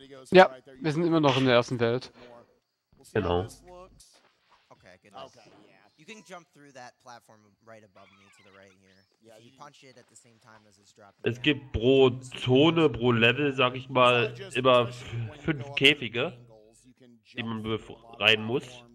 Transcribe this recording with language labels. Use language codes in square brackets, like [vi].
[de] Ja, wir sind immer noch in der ersten Welt. Genau. Okay, genau. [en] You can jump through that platform right above me to the right here. Yeah, you punch it at the same time as it's dropping. [de] Es gibt pro Zone, pro Level, sag ich mal, immer fünf Käfige, die man befreien muss.